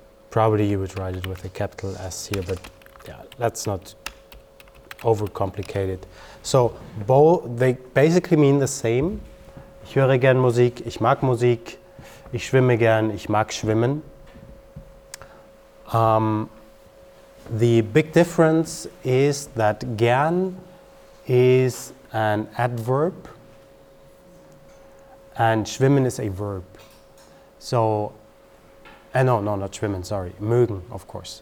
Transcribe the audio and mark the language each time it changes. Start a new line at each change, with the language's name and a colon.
English: Probably you would write it with a capital S here, but yeah, let's not overcomplicate it. So they basically mean the same.
German: Ich höre gern Musik, ich mag Musik, ich schwimme gern, ich mag schwimmen.
English: The big difference is that gern is an adverb and schwimmen is a verb. So not schwimmen, sorry. Mögen, of course.